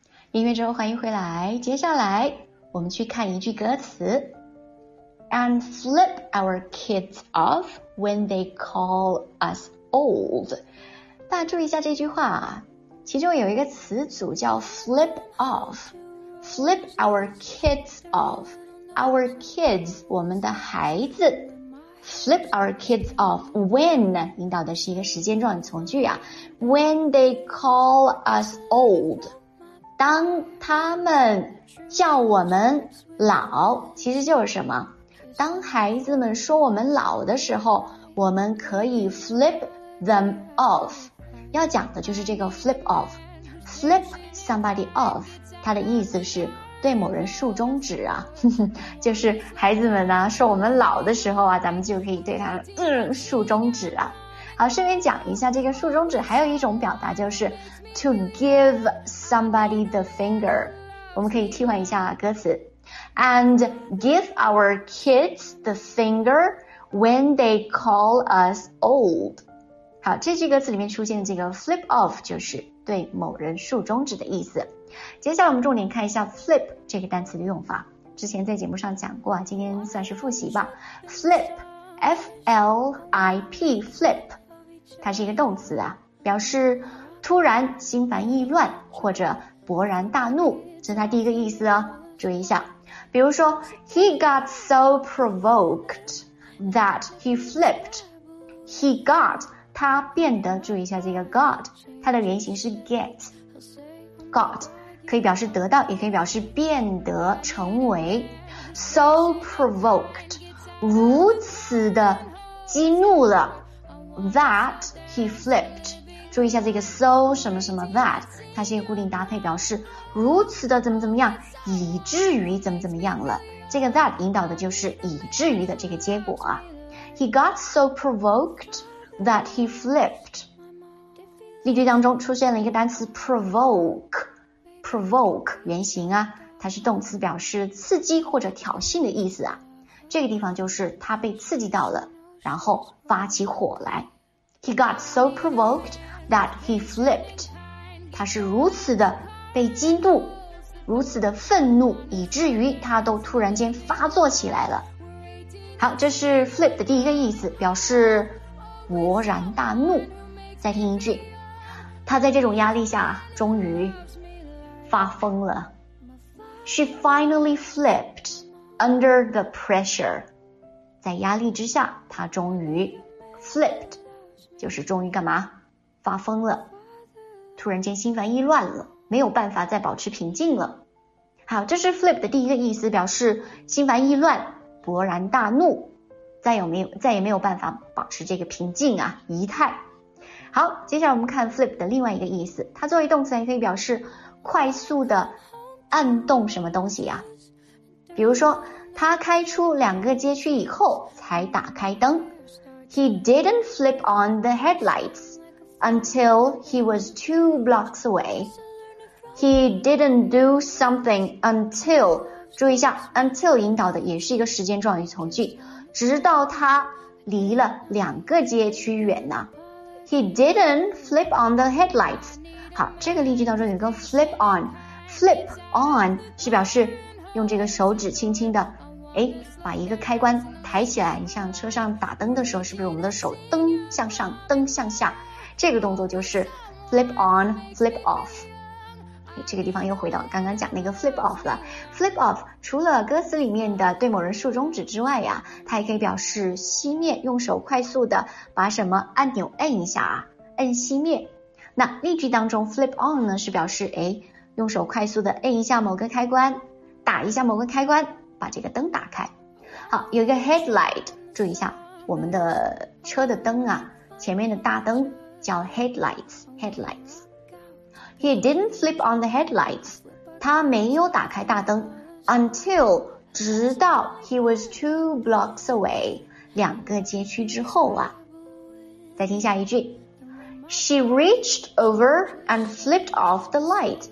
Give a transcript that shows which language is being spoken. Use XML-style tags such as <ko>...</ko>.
<zh>音乐之后欢迎回来，接下来我们去看一句歌词</zh> <en>And flip our kids off when they call us old。</en> <zh>大家注意一下这句话，其中有一个词组叫 flip off，</zh> <en>flip our kids off，</en> <zh>our kids 我们的孩子， flip our kids off when 引导的是一个时间状语从句啊，</zh> <en>when they call us old，</en> <zh>当他们叫我们老，其实就是什么？当孩子们说我们老的时候，我们可以</zh> <en>flip them off。</en> <zh>要讲的就是这个 flip off。flip somebody off， 它的意思是对某人竖中指啊，就是孩子们呢、啊、说我们老的时候啊，咱们就可以对他竖中指啊。好，顺便讲一下，这个竖中指还有一种表达就是</zh> <en>to give somebody the finger。</en> <zh>我们可以替换一下歌词</zh> <en>，and give our kids the finger when they call us old。</en> <zh>好，这句歌词里面出现的这个 flip off 就是对某人竖中指的意思。接下来我们重点看一下 flip 这个单词的用法。之前在节目上讲过，今天算是复习吧。 Flip, F-L-I-P, flip, 它是一个动词啊，表示突然心烦意乱或者勃然大怒，这是它第一个意思哦，注意一下。比如说</zh> <en>,He got so provoked that he flipped. He got,</en> <zh>他变得，注意一下这个 got, 它的原型是 get, got. 可以表示得到，也可以表示变得成为。</zh> <en>So provoked,</en> <zh>如此的激怒了</zh> <en>that he flipped.</en> <zh>注意一下这个 so 什么什么 that, 它是一个固定搭配，表示如此的怎么怎么样，以至于怎么怎么样了。这个 that 引导的就是以至于的这个结果啊。</zh> <en>He got so provoked that he flipped.</en> <zh>例句当中出现了一个单词 provoke,provoke 原型啊，它是动词，表示刺激或者挑衅的意思啊。这个地方就是他被刺激到了，然后发起火来。</zh> <en>He got so provoked that he flipped.</en> <zh>他是如此的被激怒，如此的愤怒，以至于他都突然间发作起来了。好，这是 flip 的第一个意思，表示勃然大怒。再听一句，他在这种压力下终于发疯了。</zh> <en>She finally flipped under the pressure.</en> <zh>在压力之下，她终于 flipped, 就是终于干嘛？发疯了，突然间心烦意乱了，没有办法再保持平静了。好，这是 flip 的第一个意思，表示心烦意乱，勃然大怒，再也没有办法保持这个平静啊，仪态。好，接下来我们看 flip 的另外一个意思，它作为动词也可以表示快速的按动什么东西啊，比如说他开出两个街区以后才打开灯。</zh> <en>He didn't flip on the headlights until he was two blocks away. He didn't do something until,</en> <zh>注意一下 until 引导的也是一个时间状语从句，直到他离了两个街区远呢。</zh> <en>He didn't flip on the headlights.</en> <zh>好，这个例句当中有个 flip on, flip on 是表示用这个手指轻轻的，哎，把一个开关抬起来，你像车上打灯的时候，是不是我们的手灯向上灯向下，这个动作就是 flip on, flip off。这个地方又回到刚刚讲那个 flip off 了。flip off 除了歌词里面的对某人竖中指之外呀，它也可以表示熄灭，用手快速的把什么按钮按一下啊，按熄灭。那例句当中 flip on 呢，是表示哎，用手快速的按一下某个开关，打一下某个开关，把这个灯打开。好，有一个 headlight, 注意一下我们的车的灯啊，前面的大灯叫 headlights.</zh> <en>He didn't flip on the headlights,</en> <zh>他没有打开大灯</zh> <en>until,</en> <zh>直到</zh> <en>he was two blocks away,</en> <zh>两个街区之后啊。再听下一句，</zh> <en>She reached over and flipped off the light.</en>